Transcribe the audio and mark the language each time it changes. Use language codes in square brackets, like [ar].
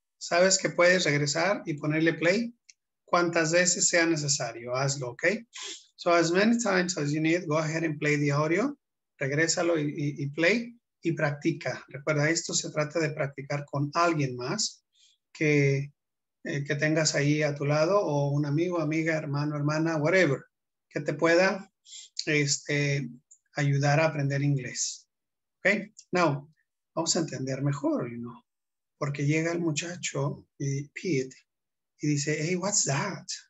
[es] Sabes que puedes regresar y ponerle play cuantas veces sea necesario. Hazlo, okay? [en] So as many times as you need, go ahead and play the audio. [es] Regrésalo y play y practica. Recuerda, esto se trata de practicar con alguien más que tengas ahí a tu lado, o un amigo, amiga, hermano, hermana, whatever, que te pueda ayudar a aprender inglés. Okay? Now, vamos a entender mejor, you know, porque llega el muchacho, Pete, y dice, [en] hey, what's that?